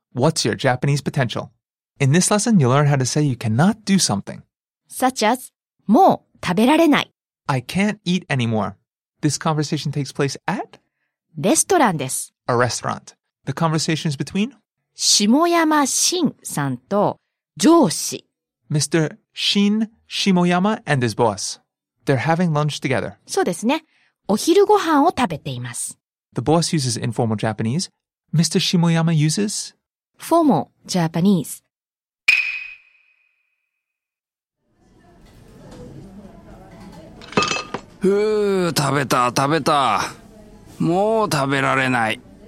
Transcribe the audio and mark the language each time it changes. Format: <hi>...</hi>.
<en>What's your Japanese potential? In this lesson, you'll learn how to say you cannot do something. Such as,</en> <ja>もう食べられない。</ja> <en>I can't eat anymore. This conversation takes place at?</en> <ja>レストランです。</ja> <en>A restaurant. The conversation is between?</en> <ja>下山慎さんと上司。</ja> <en>Mr. Shin Shimoyama and his boss. They're having lunch together.</en> <ja>そうですね。お昼ご飯を食べています。</ja> <en>The boss uses informal Japanese. Mr. Shimoyama uses? Formal Japanese.</en> <ja>ふう、食べた、食べた。もう食べられない。</ja>